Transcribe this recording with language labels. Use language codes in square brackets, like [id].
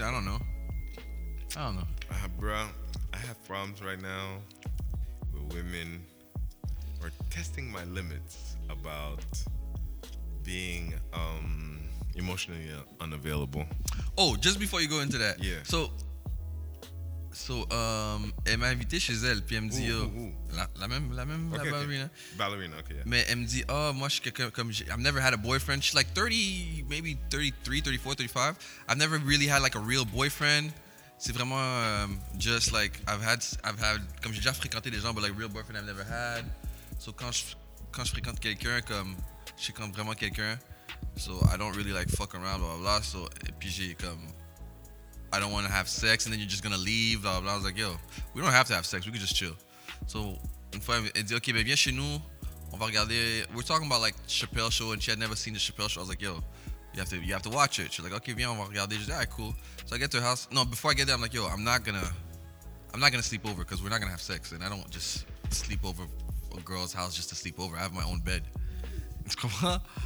[en] I don't know. Bro, I have problems right now with women who are testing my limits about being emotionally unavailable. Oh, just before you go into that, yeah. [fr] So, elle m'a invité chez elle, puis elle me dit, la même okay, la ballerina. [en] Okay. Ballerina, okay. Yeah. [fr] Mais elle me dit, oh, moi, je comme, [en] I've never had a boyfriend. She's like 30, maybe 33, 34, 35. I've never really had like a real boyfriend. [fr] C'est vraiment [en] just like, I've had, [fr] comme j'ai déjà fréquenté des gens, [en] but like real boyfriend I've never had. [fr] So quand je fréquente quelqu'un, comme, je suis comme vraiment quelqu'un. [en] So I don't really like fuck around, blah, blah, blah. So, [fr] et puis j'ai comme, [en] I don't want to have sex, and then you're just gonna leave. Blah, blah, blah. I was like, yo, we don't have to have sex. We could just chill. [fr] So, une fois, elle dit, okay, ben viens chez nous. On va regarder. [en] We're talking about like Chappelle show, and she had never seen the Chappelle show. I was like, yo, you have to watch it. She's like, okay, [fr] viens, on va regarder. [en] She's like, all right, cool. So I get to her house. No, before I get there, I'm like, yo, I'm not gonna sleep over because we're not gonna have sex, and I don't just sleep over a girl's house just to sleep over. I have my own bed. [fr] Tu comprends?